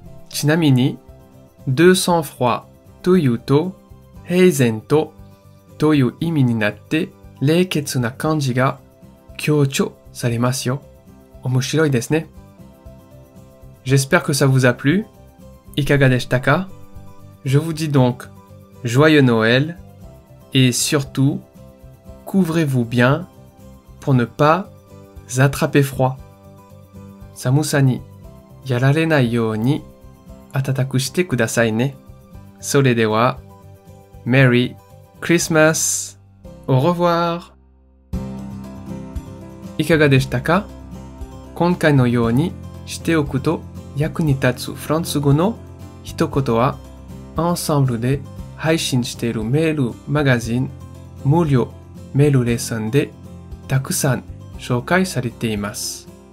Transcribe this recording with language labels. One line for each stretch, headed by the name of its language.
Japanese: Chinami ni de sang-froid toyu to heizen to という意味になって冷血な感じが強調されますよ。面白いですね。
French: J'espère que ça vous a plu.
Japanese: いかがでしたか?
French: Je vous dis donc joyeux Noël et surtout couvrez-vous bien pour ne pas attraper froid.
Japanese: 寒さにやられないように暖くしてくださいね。それでは、
English: Merry Christmas!
French: Au revoir!
Japanese: いかがでしたか? 今回のようにしておくと役に立つフランス語の一言は、アンサンブルで配信しているメールマガジン無料メールレッスンでたくさん紹介されています。